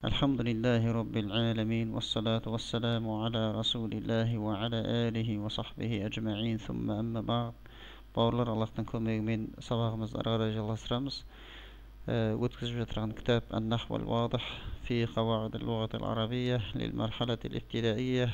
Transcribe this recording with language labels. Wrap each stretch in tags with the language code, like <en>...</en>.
<ar>الحمد لله رب العالمين، والصلاة والسلام على رسول الله وعلى آله وصحبه أجمعين. ثم أما بعد،</ar> <kk>باورلар Аллахтан көмегімен сабағымызды ары қарай жалғастырамыз. Өткізіп жатырған кітап النحو الواضح في قواعد اللغة العربية للمرحلة الابتدائية.</kk>